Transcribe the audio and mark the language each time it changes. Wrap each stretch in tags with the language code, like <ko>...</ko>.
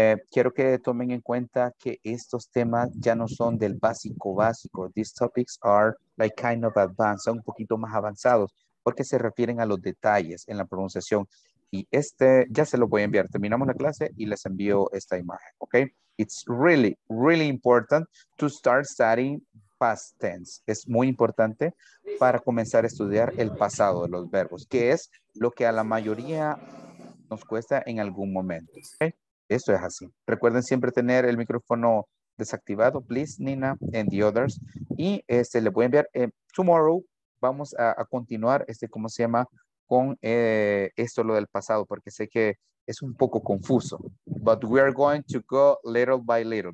<es>Quiero que tomen en cuenta que estos temas ya no son del básico básico.</es> <en>These topics are like kind of advanced.</en> <es>Son un poquito más avanzados porque se refieren a los detalles en la pronunciación. Y este, ya se lo voy a enviar. Terminamos la clase y les envío esta imagen, ¿ok?</es> <en>It's really, really important to start studying past tense.</en> <es>Es muy importante para comenzar a estudiar el pasado de los verbos, que es lo que a la mayoría nos cuesta en algún momento, ¿ok? Esto es así. Recuerden siempre tener el micrófono desactivado,</es> <en>please, Nina, and the others.</en> <es>Y este, les voy a enviar, tomorrow vamos a continuar este, ¿cómo se llama?, con esto lo del pasado, porque sé que es un poco confuso.</es> <en>But we are going to go little by little.</en>